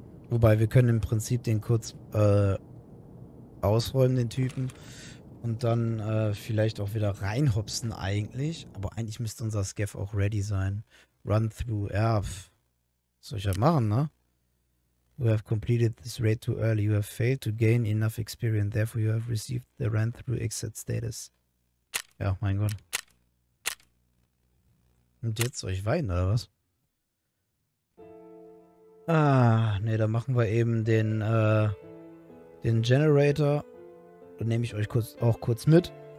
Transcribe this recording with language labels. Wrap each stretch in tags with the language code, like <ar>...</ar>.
<de>Wobei, wir können im Prinzip den kurz ausräumen, den Typen. Und dann vielleicht auch wieder reinhopsen eigentlich. Aber eigentlich müsste unser Scaff auch ready sein.</de> <en>Run through Earth.</en> <de>Soll ich ja machen, ne?</de> <en>You have completed this raid too early. You have failed to gain enough experience. Therefore you have received the run through exit status.</en> <de>Ja, mein Gott. Und jetzt soll ich weinen, oder was? Ah, ne, dann machen wir eben den Generator. Dann nehme ich euch kurz mit.</de>